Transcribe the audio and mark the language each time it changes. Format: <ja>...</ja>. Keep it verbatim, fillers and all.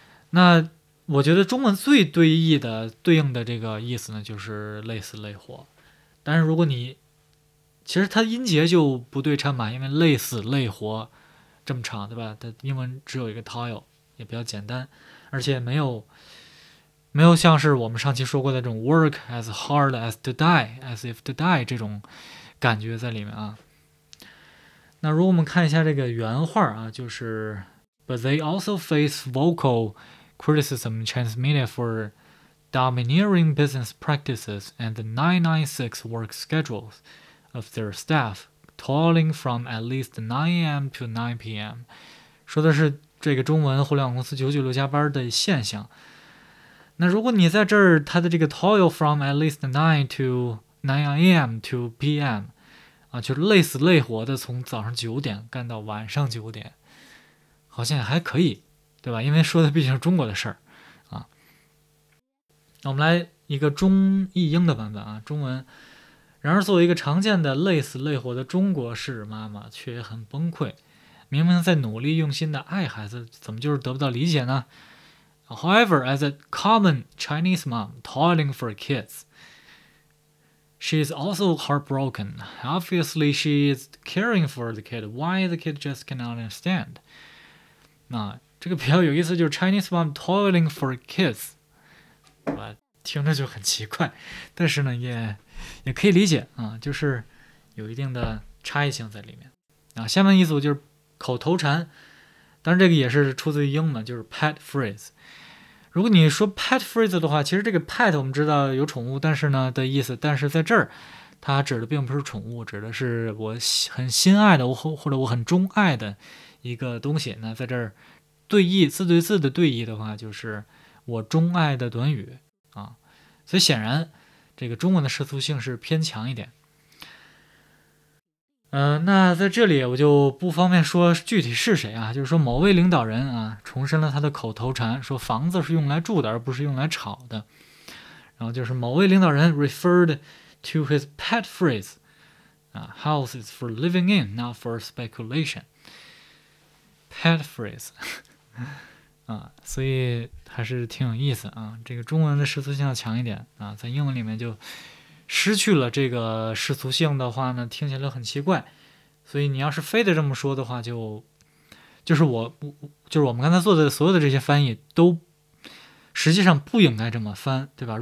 <zh>那我觉得中文最对译的对应的这个意思呢就是累死累活，但是如果你其实它音节就不对称嘛，因为累死累活这么长对吧，它英文只有一个 toil 也比较简单，而且没有没有像是我们上期说过的这种</zh> <en>work as hard as to die</en> <zh>as if to die 这种感觉在里面啊。</zh> <en>那如果我们看一下这个原话啊，就是 But they also face vocal criticism transmitted for domineering business practices and the nine nine six work schedules of their staff toiling from at least nine a.m. to nine p.m.</en> <zh>说的是这个中文互联网公司九九六加班的现象。那如果你在这儿，它的这个</zh> <en>toil from at least nine to nine a.m. to p.m.</en> <zh>啊，就是累死累活的从早上九点干到晚上九点，好像还可以对吧，因为说的毕竟是中国的事儿啊。那我们来一个中译英的版本啊，中文。然而作为一个常见的累死累活的中国式妈妈，却也很崩溃。明明在努力用心的爱孩子，怎么就是得不到理解呢？</zh> <en>However, as a common Chinese mom toiling for kids, she is also heartbroken. Obviously, she is caring for the kid. Why the kid just cannot understand?</en> <zh>那这个比较有意思，就是</zh> <en>Chinese mom toiling for kids，</en> <zh>我听着就很奇怪，但是呢也也可以理解啊，就是有一定的差异性在里面啊。下面一组就是口头禅，当然这个也是出自于英文，就是 pet phrase。如果你说 pet phrase 的话，其实这个 pet 我们知道有宠物，但是呢的意思，但是在这儿它指的并不是宠物，指的是我很心爱的，我或者我很钟爱的一个东西。那在这儿对译字对字的对译的话，就是我钟爱的短语啊，所以显然这个中文的世俗性是偏强一点。呃，那在这里我就不方便说具体是谁啊，就是说某位领导人啊重申了他的口头禅，说房子是用来住的而不是用来炒的。然后就是某位领导人</zh> <en>referred to his pet phrase， 啊 house is for living in not for speculation。</en> <zh>Pet phrase 啊，所以还是挺有意思啊。这个中文的世俗性要强一点啊，在英文里面就失去了这个世俗性的话呢，听起来很奇怪。所以你要是非得这么说的话，就就是我就是我们刚才做的所有的这些翻译都实际上不应该这么翻，对吧？</zh>